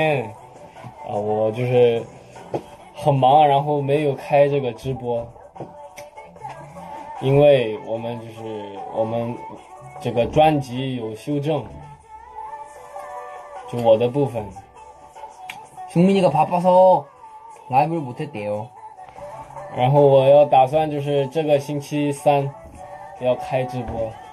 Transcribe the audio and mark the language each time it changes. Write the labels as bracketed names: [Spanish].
[Chinese] 就是昨天我就是很忙，然后没有开这个直播，因为我们这个专辑有修正，就我的部分。 [Korean] 승민이가 바빠서 라이브를 못했대요. [Chinese] 然后我要打算就是这个星期三要开直播。